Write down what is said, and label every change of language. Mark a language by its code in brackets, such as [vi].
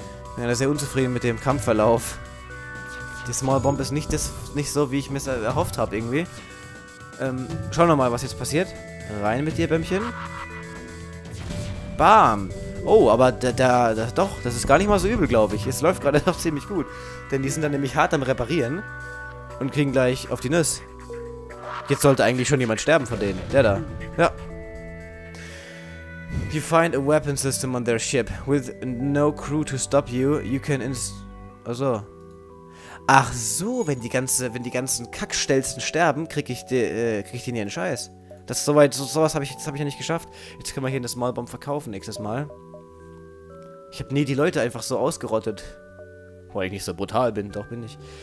[de] Ich bin ja sehr unzufrieden mit dem Kampfverlauf. Die Small Bomb ist nicht so, wie ich mir es erhofft habe, irgendwie. Schauen wir mal, was jetzt passiert. Rein mit dir, Bämmchen. Bam! Oh, aber doch, das ist gar nicht mal so übel, glaube ich. Es läuft gerade doch ziemlich gut. Denn die sind dann nämlich hart am Reparieren. Und kriegen gleich auf die Nuss. Jetzt sollte eigentlich schon jemand sterben von denen. Der da. Ja. [en] You find a weapon system on their ship. With no crew to stop you, you can also. [de] Ach so, wenn die ganzen Kackstelzen sterben, krieg ich den hier einen Scheiß. Sowas habe ich ja nicht geschafft. Jetzt können wir hier eine Small Bomb verkaufen nächstes Mal. Ich habe nie die Leute einfach so ausgerottet. Weil ich nicht so brutal bin, doch bin ich.